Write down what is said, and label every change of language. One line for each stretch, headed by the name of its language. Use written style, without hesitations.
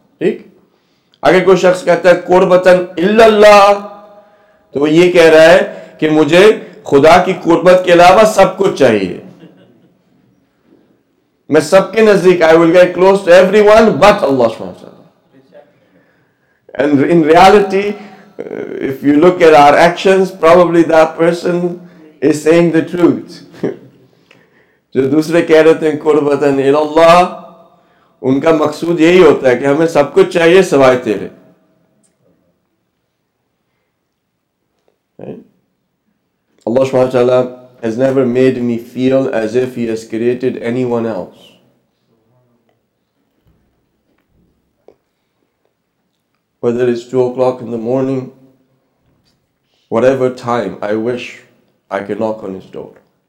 Urdu: ٹھیک, اگر کوئی شخص کہتا ہے قربتن اللہ تو وہ یہ کہہ رہا ہے کہ مجھے خدا کی قربت کے علاوہ سب کچھ چاہیے, میں سب کے نزدیک,
English: I will get close to everyone but Allah subhanahu wa ta'ala. And in reality, if you look at our actions, probably that person is saying the truth.
Urdu: جو دوسرے کہہ رہے تھے قربتن اللہ, ان کا مقصود یہی ہوتا ہے کہ ہمیں سب کچھ چاہیے سوائے تیرے.
English: Allah subhanahu wa ta'ala has never made me feel as if He has created anyone else. Whether it's 2 o'clock in the morning, whatever time, I wish I could knock on His door.